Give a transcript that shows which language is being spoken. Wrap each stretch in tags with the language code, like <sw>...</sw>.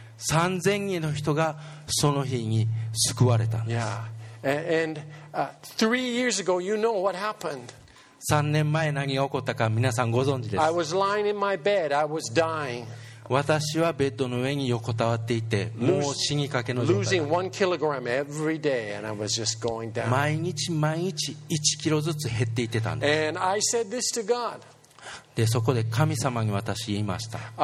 <ja>3,000 人の人がその日に救われたんです。</ja> <en>Yeah. And 3 years ago, you know what happened.</en> <ja>3年前何が起こったか皆さんご存知です。</ja> <en>I was lying in my bed. I was dying.</en> <ja>私はベッドの上に横たわっていて、もう死にかけの状態。</ja> <en>Losing 1 kilogram every day, and I was just going down.</en> <ja>毎日毎日1キロずつ減っていってたんです。</ja> <en>And I said this to God.</en> <ja>で、そこで神様に私言いました。</ja>